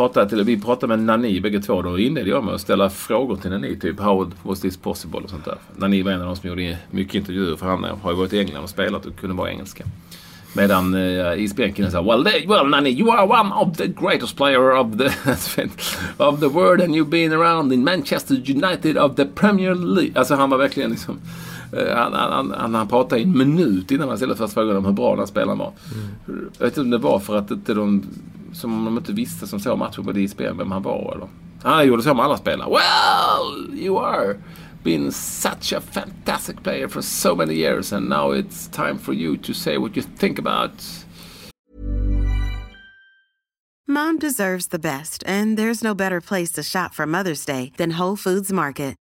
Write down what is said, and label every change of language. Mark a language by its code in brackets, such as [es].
[sv] Vi pratade med Nani bägge två, då inledde jag med att ställa frågor till Nani, typ [en] how was this possible [sv] och sånt där. Nani var en av dem som gjorde mycket intervjuer, för han har ju varit i England och spelat och kunde vara engelska. Medan ISBN-killen sa, [en] well, Nani, you are one of the greatest player of the world and you've been around in Manchester United of the Premier League. [sv] Alltså han var verkligen liksom, han pratade i en minut innan han ställde första frågan om hur bra den här spelaren var. Jag vet inte om det var för att inte de, som de inte visste som såg matchen på ISBN, vem han var eller. Han gjorde så med alla spelare. [en] Well, you are... been such a fantastic player for so many years, and now it's time for you to say what you think about. Mom deserves the best, and there's no better place to shop for Mother's Day than Whole Foods Market.